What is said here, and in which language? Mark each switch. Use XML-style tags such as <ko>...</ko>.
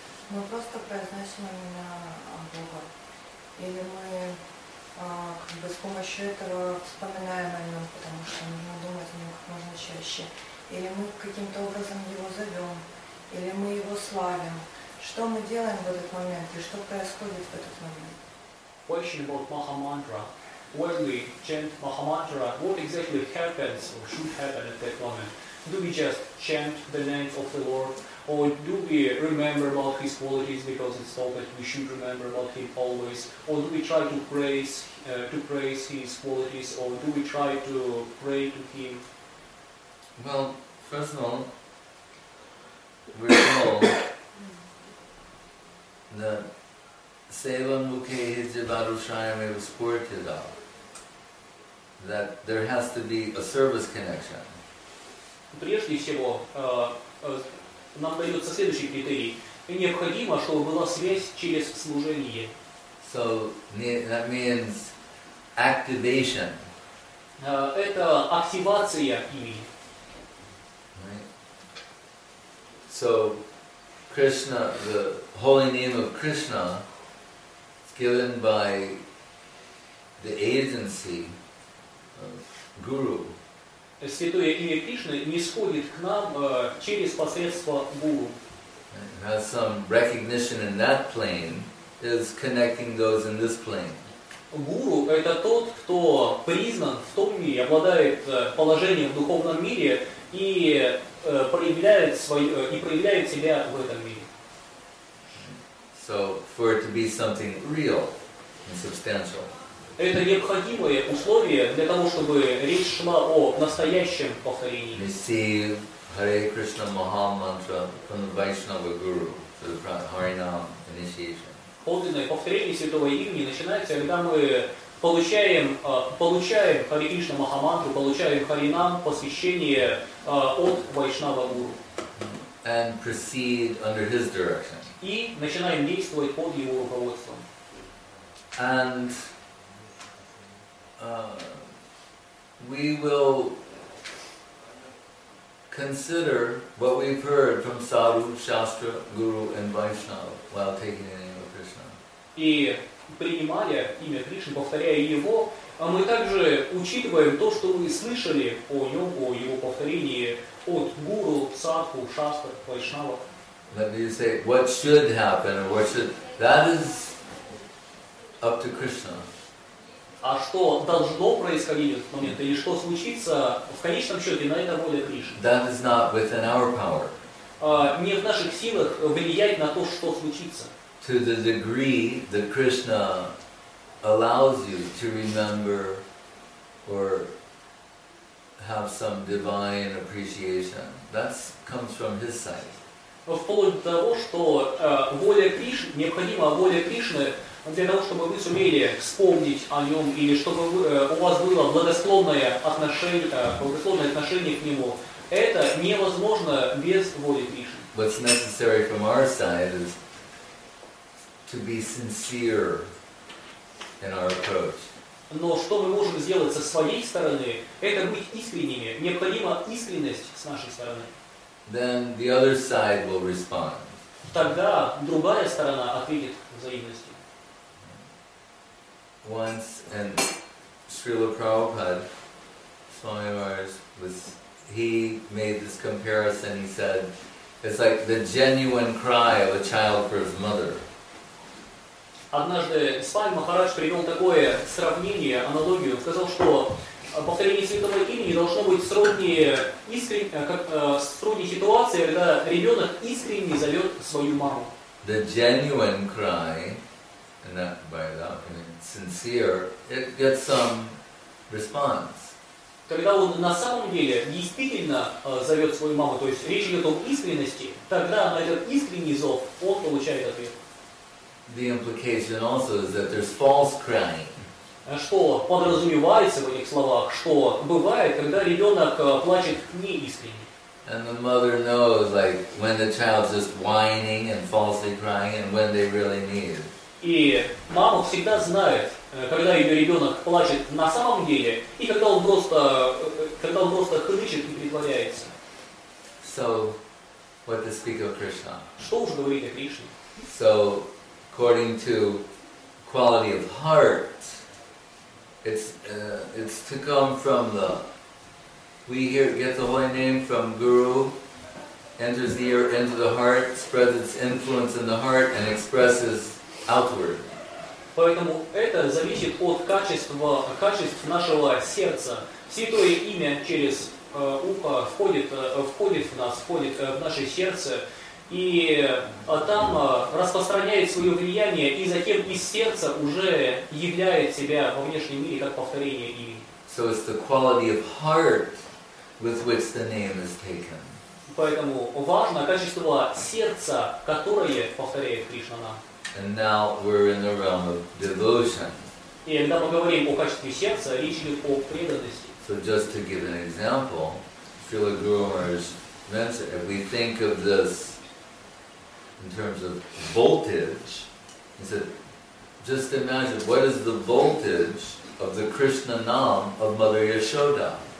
<ru>Мы просто произносим имена Бога. Или мы как бы с помощью этого вспоминаем о нем, потому что нужно думать о нем как можно чаще. Или мы каким-то образом его зовем, или мы его славим. Что мы делаем в этот момент и что происходит в этот момент?</ru> <en>Question about Mahamantra. When we chant Mahamantra, what exactly happens or should happen at that moment? Do we just chant the name of the Lord? Or do we remember about His qualities because it's thought that we should remember about Him always? Or do we try to praise His qualities? Or do we try to pray to Him? Well, first of all, we know that</en> <sa>Sevan Mukhe Hijjabharu Shayame Vispurtida,</sa> <en>that there has to be a service connection.</en> <ru>Прежде всего, нам дается следующий критерий. Необходимо, чтобы была связь через служение.</ru> <en>So that means activation.</en> <ru>Это активация имени.</ru> <en>So Krishna, the holy name of Krishna is given by the agency of Guru.</en> <ru>Святое имя Кришны нисходит к нам через посредство Гуру.</ru> <en>It has some recognition in that plane, is connecting those in this plane.</en> <ru>Гуру – это тот, кто признан в том мире, обладает положением в духовном мире и проявляет свой, и проявляет себя в этом мире.</ru> <en>So, for it to be something real and substantial.</en> <ru>Это необходимое условие для того, чтобы речь шла о настоящем повторении.</ru> <en>Receive Hare Krishna Maha Mantra from the Vaishnava Guru for the Harinam initiation.</en> <ru>Подлинное повторение святого имени начинается, когда мы получаем Hare Krishna Maha Mantra, получаем Харинам, посвящение от Вайшнава Гуру.</ru> <en>And proceed under his direction.</en> <ru>И начинаем действовать под его руководством.</ru> <en>And we will consider what we've heard from Sadhu, Shastra, Guru and Vaishnava while taking the name of Krishna.</en> <ru>И принимая имя Кришны, повторяя его, мы также учитываем то, что мы слышали о нем, о его повторении от Гуру, Садху, Шастры, Вайшнава.</ru> <en>Let me say, what should happen, or what should... That is up to Krishna.</en> <ru>А что должно происходить в этот момент, или что случится, в конечном счете, на это воля Кришны.</ru> <en>That is not within our power.</en> <ru>Не в наших силах влиять на то, что случится.</ru> <en>To the degree that Krishna allows you to remember or have some divine appreciation, that comes from His side.</en> <ru>Вплоть до того, что воля Кришны, необходима воля Кришны для того, чтобы вы сумели вспомнить о Нем, или чтобы у вас было благосклонное отношение к Нему, это невозможно без воли Кришны.</ru> <en>What's necessary from our side is to be sincere in our approach.</en> <ru>Но что мы можем сделать со своей стороны, это быть искренними. Необходима искренность с нашей стороны.</ru> <en>Then the other side will respond.</en> <ru>Тогда другая сторона ответит взаимностью.</ru> <en>Once in Srila Prabhupada, Swami Maharaj, he made this comparison. He said, it's like the genuine cry of a child for his mother.</en> <ru>Однажды Свами Махарадж привел такое сравнение, аналогию, сказал, что повторение святого имени должно быть сродни ситуации, когда ребенок искренне зовет свою маму.</ru> <en>The genuine cry, and that by that I mean sincere, it gets some response.</en> <ru>Когда он на самом деле действительно зовет свою маму, то есть речь идет об искренности, тогда на этот искренний зов он получает ответ.</ru> <en>The implication also is that there's false crying.</en> <ru>Что подразумевается в этих словах, что бывает, когда ребенок плачет неискренне.</ru> <en>And the mother knows, like, when the child's just whining and falsely crying, and when they really need.</en> <ru>И мама всегда знает, когда ее ребенок плачет на самом деле, и когда он просто хнычет и притворяется.</ru> <en>So, what to speak of Krishna?</en> <ru>Что уж говорить о Кришне?</ru> <en>So, according to quality of heart, it's to come from the we hear get the holy name from Guru, enters the ear into the heart, spreads its influence in the heart, and expresses outward.</en> <ru>Поэтому это зависит от качеств нашего сердца. Святое имя через ухо входит в нас, входит в наше сердце. И там распространяет свое влияние, и затем из сердца уже являет себя во внешнем мире как повторение имени.</ru> <en>So it's the quality of heart with which the name is taken.</en> <ru>Поэтому важно качество сердца, которое повторяет Кришна нам.</ru> <en>And now we're in the realm of devotion.</en> <ru>И когда мы говорим о качестве сердца, речь идет о преданности.</ru> <en>So just to give an example, Srila Guru Maharaj mentioned, if we think of this in terms of voltage, he said, just imagine, what is the voltage of the Krishna Nam of Mother Yashoda?</en>